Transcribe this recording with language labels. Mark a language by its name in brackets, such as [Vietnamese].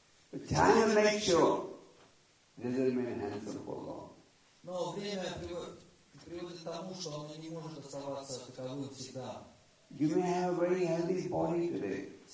[English] But time will make sure this doesn't mean handsome for long. [Russian] No, время приводит к тому, что он не может оставаться таковым всегда. [English] You may have a very healthy body today.